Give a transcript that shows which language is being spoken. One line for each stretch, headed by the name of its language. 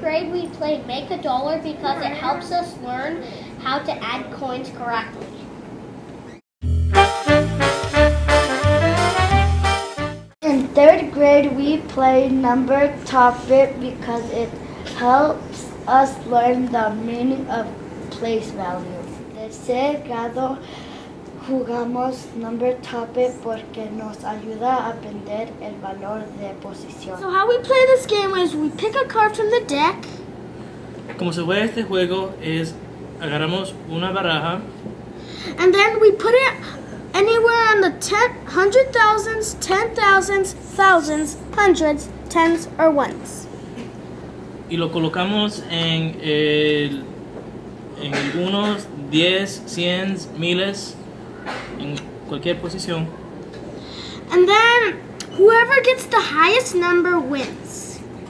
English: We play Make a Dollar because it helps us learn how to add coins correctly. In third grade, we play Number Topic because it helps us learn the meaning of place values.
Spanish: En tercer grado, jugamos Number Topic porque nos ayuda a aprender el valor de posición.
English: So how we play this game is we pick a card from the deck.
Spanish: Como se juega este juego es agarramos una baraja.
English: And then we put it anywhere on the hundred thousands, ten thousands, thousands, hundreds, tens, or ones.
Spanish: Y lo colocamos en el unos, diez, cientos, miles, en cualquier posición.
English: And then whoever gets the highest number wins.